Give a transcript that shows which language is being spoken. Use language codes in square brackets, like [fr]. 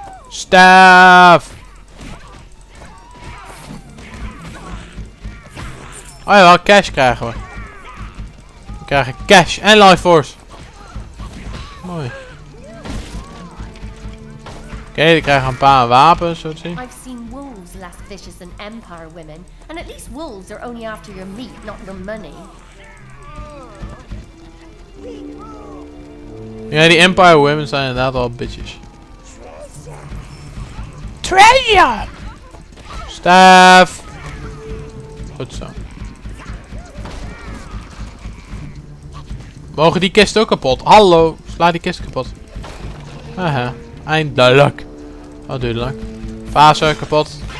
[en] Staff! [nl] Oh ja, wel cash krijgen we. We krijgen cash en life force. Mooi. Oké, okay, we krijgen een paar wapens, zo te zien. [en] I've seen wolves less vicious than empire women. And at least wolves are only after your meat, not your money. [nl] Ja, die empire women zijn inderdaad al bitches. [en] Treasure! [nl] Staff! Goed zo. Mogen die kist ook kapot? Hallo, sla die kist kapot. Aha, eindelijk. Oh, duidelijk. Fase kapot.